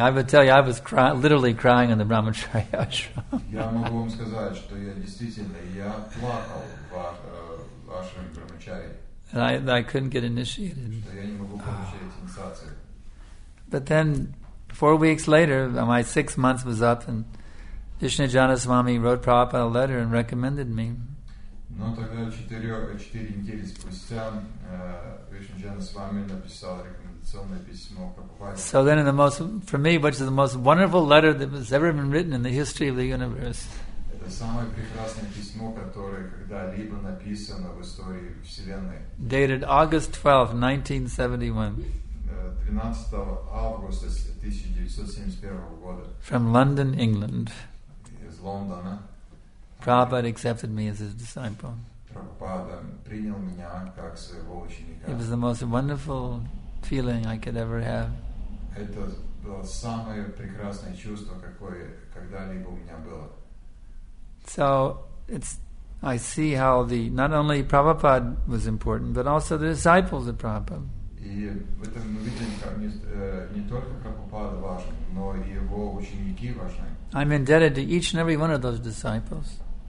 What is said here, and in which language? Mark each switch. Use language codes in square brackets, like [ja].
[en] I would tell you, I was literally crying in the Brahmacharya ashram. [ru] Я могу вам сказать, что я действительно я плакал в вашем Брахмачарье. [en] I couldn't get initiated. [ru] Я не могу получить инициацию. [en] But then, 4 weeks later, my 6 months was up, and Vishnujana Swami wrote Prabhupada a letter and recommended me. [ru] Но тогда 4 недели спустя Вишнуджана Свами написал рекомендационное письмо Прабхупаде. [en] So then in the most, for me, which is the most wonderful letter that has ever been written in the history of the universe. [ru] Это самое прекрасное письмо, которое когда-либо написано в истории Вселенной. [en] Dated August 12, 1971. [ru] 12 августа 1971 года. [en] From London, England. [ru] Из Лондона. [en] Prabhupada accepted me as his disciple. [ru] Prabhupada принял меня как своего ученика. [en] It was the most wonderful feeling I could ever have. [ru] Это было самое прекрасное чувство, какое когда-либо у меня было. [en] So I see how not only Prabhupada was important, but also the disciples of Prabhupada. [ru] И в этом мы видим, как не только Прабхупада важен, но и его ученики важны. [en] I'm indebted to each and every one of those disciples.